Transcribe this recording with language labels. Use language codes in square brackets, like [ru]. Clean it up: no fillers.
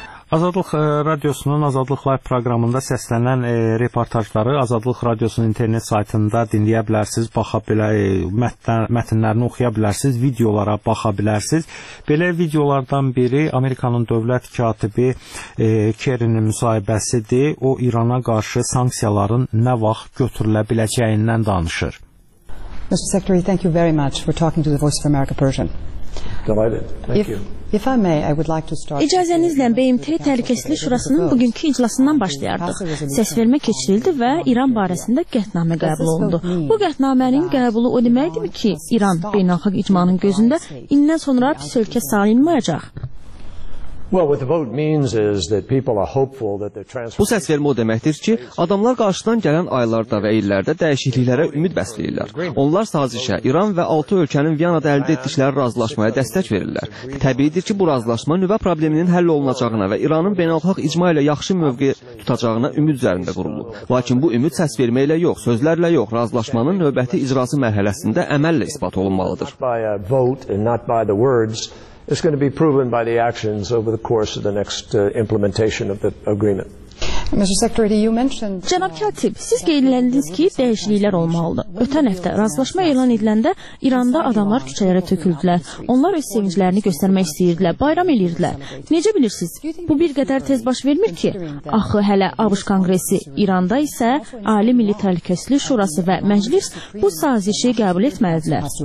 [az] Azadlıq Radiosunun Azadlıq Live proqramında səslənən reportajları Azadlıq Radiosunun internet saytında dinləyə bilərsiniz, baxa mətnlərini oxuya bilərsiniz, videolara baxa bilərsiniz. Belə videolardan biri Amerikanın dövlət katibi Kerinin müsahibəsidir. O, İrana qarşı sanksiyaların nə vaxt götürülə biləcəyindən danışır. [en] Mr. Secretary, thank you very much for talking to the Voice of America Persian. [az] İcazənizlə BMT Təhlükəsizlik Şurasının bugünkü iclasından başlayardıq. Səsvermə keçirildi və İran barəsində qətnamə qəbul olundu. Bu qətnamənin qəbulu o deməkdir ki, İran beynəlxalq icmanın gözündə indən sonra pis ölkə sayılmayacaq. [en] Well, what the vote means is that people are hopeful that the transfer. [az] Bu səs vermə o deməkdir ki, adamlar qarşıdan gələn aylarda və illərdə dəyişikliklərə ümid bəsləyirlər. Onlar sazişə İran və 6 ölkənin Viyanada əldə etdikləri razılaşmaya dəstək verirlər. Təbiidir ki, bu razılaşma nüvə probleminin həll olunacağına və İranın beynəlxalq icma ilə yaxşı mövqe tutacağına ümid üzərində qurulub. Lakin bu ümid səs vermə ilə yox, sözlərlə yox, razılaşmanın növbəti icrası mərhələsində əməllə isbat olunmalıdır. [en] It's going to be proven by the actions over the course of the next implementation of the agreement. Mr. Secretary, you mentioned. [az] Cənab Katib, siz qeyd etdiniz ki, dəyişikliklər olmalıdır. Ötən həftə razılaşma elan ediləndə İranda adamlar küçələrə töküldülər. Onlar öz sevinclərini göstərmək istəyirdilər, bayram edirdilər. Necə bilirsiniz? Bu bir qədər tez baş vermir ki? Axı hələ ABŞ Konqresi, İranda isə Ali Milli Təhlükəsizlik Şurası və Məclis bu sazişi qəbul etməlidirlər.